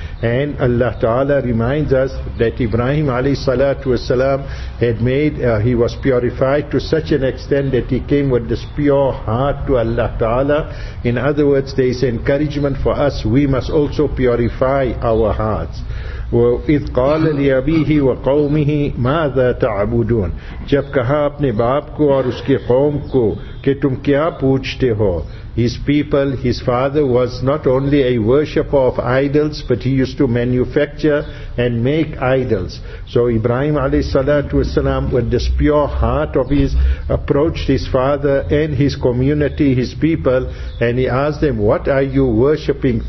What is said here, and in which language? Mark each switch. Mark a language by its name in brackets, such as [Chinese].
[English] And Allah Ta'ala reminds us that Ibrahim alayhi salatu wasalam had made, he was purified to such an extent that he came with this pure heart to Allah Ta'ala. In other words, there is encouragement for us, we must also purify our hearts. [Arabic] وَإِذْ قَالَ لِأَبِيهِ وَقَوْمِهِ مَاذَا تَعْبُدُونَ. [Urdu] جب کہا اپنے باپ کو اور اس کے قوم کو کہ تم کیا پوچھتے ہو. [English] His people, his father was not only a worshipper of idols, but he used to manufacture and make idols. So Ibrahim alayhi salatu wasalam, with this pure heart of his, approached his father and his community, his people, and he asked them, what are you worshipping?